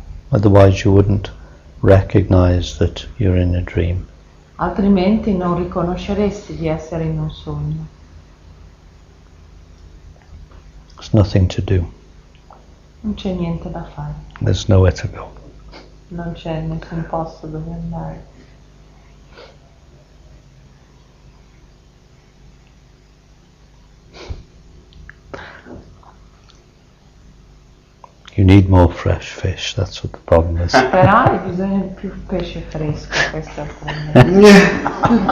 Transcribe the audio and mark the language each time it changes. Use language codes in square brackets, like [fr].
[en] Otherwise you wouldn't recognize that you're in a dream. [it] Altrimenti non riconosceresti di essere in un sogno. [en] There's nothing to do. [it] Non c'è niente da fare. [en] There's nowhere to go. [it] Non c'è nessun posto dove andare. [en] You need more fresh fish, that's what the problem is. [it] Però hai bisogno di più pesce fresco, questo è il problema.